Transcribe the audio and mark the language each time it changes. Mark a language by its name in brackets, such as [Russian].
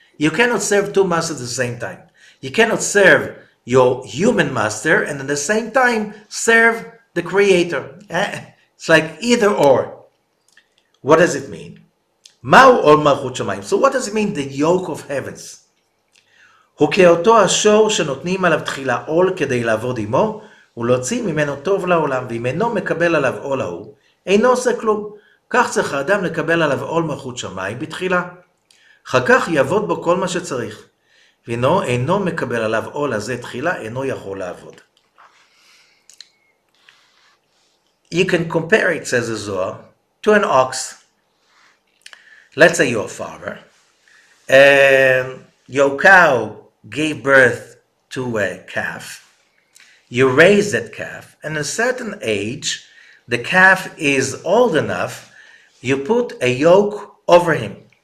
[English] You cannot serve two masters at the same time. You cannot serve your human master and at the same time serve the creator. It's like either or. What does it mean? Mao ol malchut shamayim. So what does it mean, the yoke of heavens? [Hebrew] וכאותו השור שנותנים עליו תחילה עול כדי לעבוד עמו, ולהוציא ממנו טוב לעולם, ואם אינו מקבל עליו עול ההוא, אינו עושה כלום. כך צריך האדם לקבל עליו עול מלכות שמיים בתחילה. אחר כך יעבוד בו כל מה שצריך. ואינו אינו מקבל עליו עול הזה תחילה, אינו יכול לעבוד. [English] You can compare it, says the Zohar, to an ox. Let's say you're a farmer, and your cow gave birth to a calf. You raise that calf, and at a certain age, the calf is old enough, you put a yoke over him.